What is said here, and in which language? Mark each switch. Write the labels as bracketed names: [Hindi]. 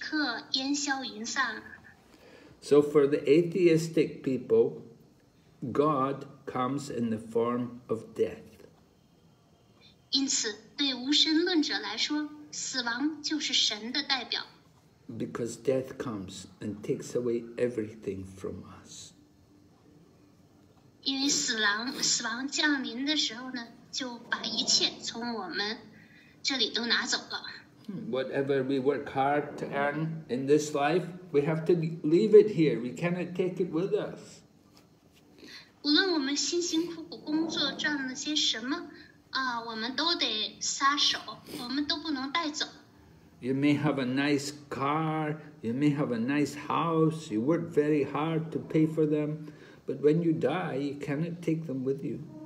[Chinese] 然而生命结束时，所有物质快乐也随着躯体即刻烟消云散了。 [English] So for the atheistic people, God comes in the form of death. [Chinese] 因此对无神论者来说，死亡就是神的代表。 [English] Because death comes and takes away everything from us. [Chinese] 因为死亡降临的时候呢，就把一切从我们这里都拿走了。 [English] Whatever we work hard to earn in this life, we have to leave it here. We cannot take it with us. [Chinese] 无论我们辛辛苦苦工作赚了些什么，我们都得撒手，我们都不能带走。 [English] You may have a nice car, you may have a nice house, you work very hard to pay for them, but when you die, you cannot take them with you.